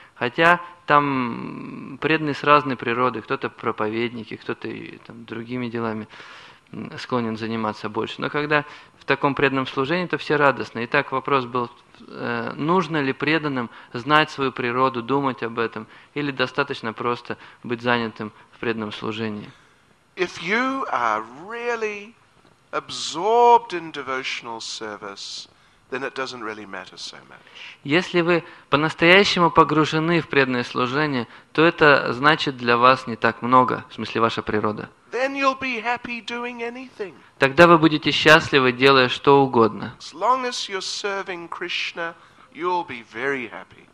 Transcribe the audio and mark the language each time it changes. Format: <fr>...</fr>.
<ru>Хотя там преданные с разной природы, кто-то проповедники, кто-то и, там, другими делами склонен заниматься больше. Но когда в таком преданном служении, то все радостны. Итак, вопрос был, нужно ли преданным знать свою природу, думать об этом, или достаточно просто быть занятым в преданном служении?</ru> <en>If you are really absorbed in devotional service, then it doesn't really matter so much.</en> <ru>Если вы по-настоящему погружены в преданное служение, то это значит для вас не так много, в смысле ваша природа.</ru> <en>Then you'll be happy doing anything.</en> <ru>Тогда вы будете счастливы, делая что угодно.</ru> <en>As long as you're serving Krishna, you'll be very happy.</en>